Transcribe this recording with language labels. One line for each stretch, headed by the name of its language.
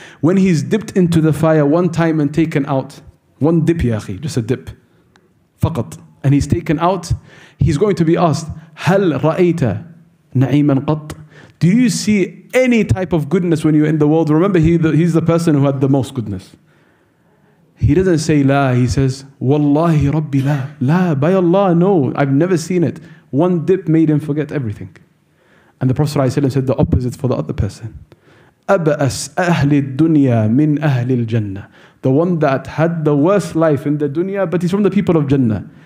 English: When he's dipped into the fire one time and taken out, one dip, ya akhi, just a dip. Faqat. And he's taken out. He's going to be asked,
Arabic: هَلْ رَأَيْتَ نَعِيمًا قَطْ?
English: Do you see any type of goodness when you're in the world? Remember, he's the person who had the most goodness. He doesn't say, لا. He says,
Arabic: وَاللَّهِ رَبِّ لَا.
English: لا, by Allah, no. I've never seen it. One dip made him forget everything. And the Prophet ﷺ said the opposite for the other person.
Arabic: أَبَأَسْ أَهْلِ الدُّنْيَا مِنْ أَهْلِ الْجَنَّةِ.
English: The one that had the worst life in the dunya, but he's from the people of Jannah.